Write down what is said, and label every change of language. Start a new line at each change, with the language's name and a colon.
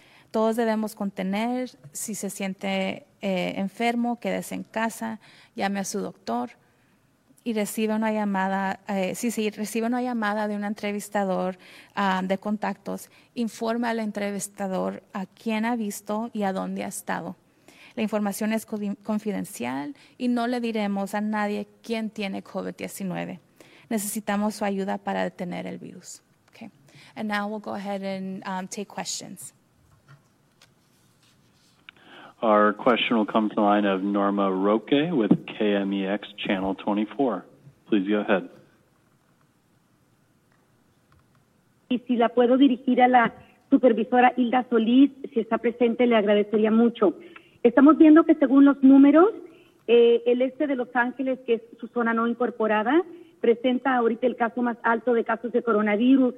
Spanish: Todos debemos contener, si se siente enfermo, quédese en casa, llame a su doctor y recibe una llamada, recibe una llamada de un entrevistador de contactos, informa al entrevistador a quién ha visto y a dónde ha estado. La información es confidencial y no le diremos a nadie quién tiene COVID-19. Necesitamos su ayuda para detener el virus. Okay.
English: And now we'll go ahead and take questions. Our question will come to the line of Norma Roque with KMEX Channel 24. Please go ahead.
Spanish: Y si la puedo dirigir a la supervisora Hilda Solís, si está presente, le agradecería mucho. Estamos viendo que según los números, el este de Los Ángeles, que es su zona no incorporada, presenta ahorita el caso más alto de casos de coronavirus.